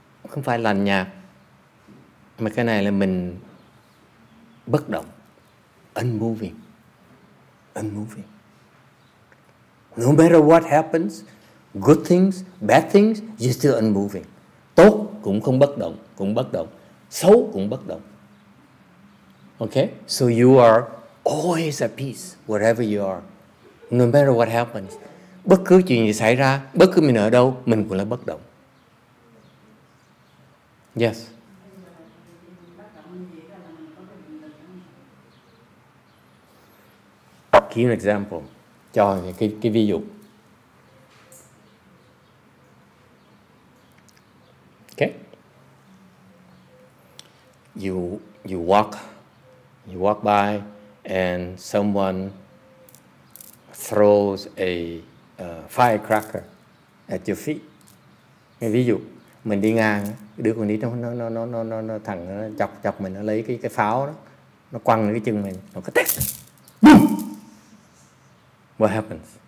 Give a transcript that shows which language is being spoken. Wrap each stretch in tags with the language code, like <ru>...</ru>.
<vi>Không phải lành nhạt, mà cái này là mình bất động,</vi> <en>unmoving, unmoving. No matter what happens, good things, bad things, you're still unmoving.</en> <vi>Tốt cũng không bất động, cũng bất động. Xấu cũng bất động. Okay?</vi> <en>So you are always at peace, wherever you are. No matter what happens.</en> <vi>Bất cứ chuyện gì xảy ra, bất cứ mình ở đâu, mình cũng là bất động.</vi> <en>Yes. Give an example.</en> <vi>Cho cái ví dụ.</vi> <en>Okay. You walk by and someone throws a firecracker at your feet.</en> <vi>Ví dụ, mình đi ngang, đứa con nít nó thằng nó chọc mình, nó lấy cái pháo đó, nó quăng cái chân mình, nó cứ tét.</vi> <en>What happens?</en>